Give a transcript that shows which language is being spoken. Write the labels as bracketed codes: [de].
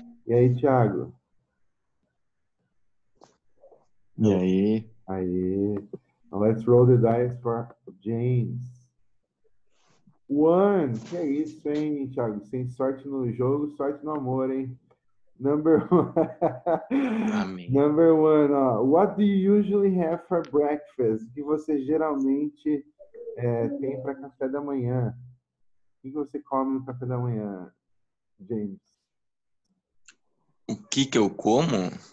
[pt] E aí, Thiago? E aí? [en] Aí. Now let's roll the dice for James. One. [pt] Que é isso, hein, Thiago? Sem sorte no jogo, sorte no amor, hein? [en] Number one. [pt] Amém. [en] Number one, what do you usually have for breakfast? [pt] O que você geralmente tem para café da manhã? O que você come no café da manhã, James? O que que eu como?